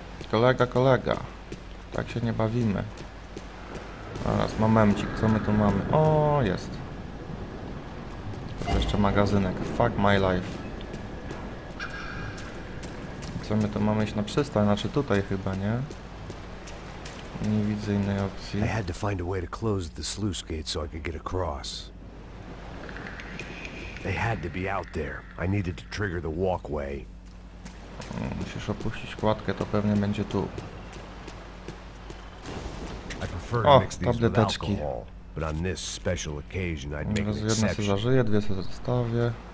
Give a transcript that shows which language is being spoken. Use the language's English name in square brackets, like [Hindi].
[Polish] Kolega, kolega. Tak się nie bawimy. Zaraz, momencik, co my tu mamy? O, jest. Jeszcze magazynek. [English] Fuck my life. [Polish] Co my tu mamy iść na przystań? Znaczy tutaj chyba, nie? Nie widzę innej opcji. [English] I had to find a way to close the sluice gate so I could get across. They had to be out there. I needed to trigger the walkway. [Polish] Musisz opuścić kładkę, to pewnie będzie tu. [English] I prefer to mix these with alcohol. But on this special occasion, I'd make an exception. [Polish] Jedna se zażyje, dwie se zostawię.